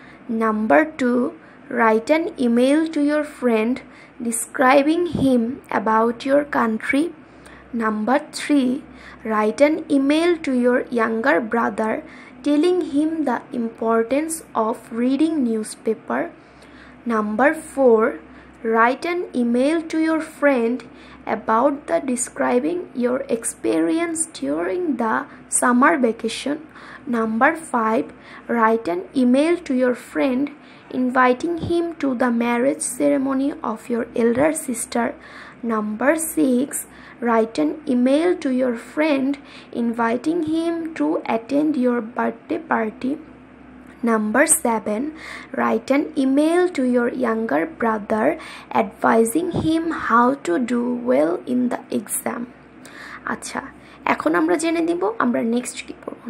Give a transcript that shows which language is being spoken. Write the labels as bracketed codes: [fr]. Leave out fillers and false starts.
[en] Number 2, write an email to your friend describing him about your country. Number 3, write an email to your younger brother telling him the importance of reading newspaper. Number 4, Write an email to your friend about the describing your experience during the summer vacation. Number 5. Write an email to your friend inviting him to the marriage ceremony of your elder sister. Number 6. Write an email to your friend inviting him to attend your birthday party. Number 7. Write an email to your younger brother advising him how to do well in the exam. [bn] আচ্ছা, এখন আমরা জেনে নিব আমরা next কি পড়ব।